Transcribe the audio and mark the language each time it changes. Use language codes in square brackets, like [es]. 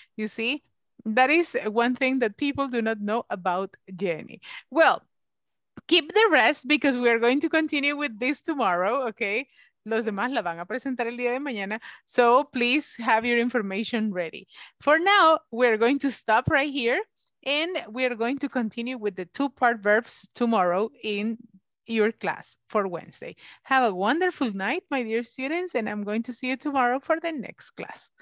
[en] You see, that is one thing that people do not know about Jenny. Well, keep the rest because we are going to continue with this tomorrow, okay? [es] Los demás la van a presentar el día de mañana. [en] So please have your information ready. For now, we're going to stop right here. And we are going to continue with the two-part verbs tomorrow in your class for Wednesday. Have a wonderful night, my dear students, and I'm going to see you tomorrow for the next class.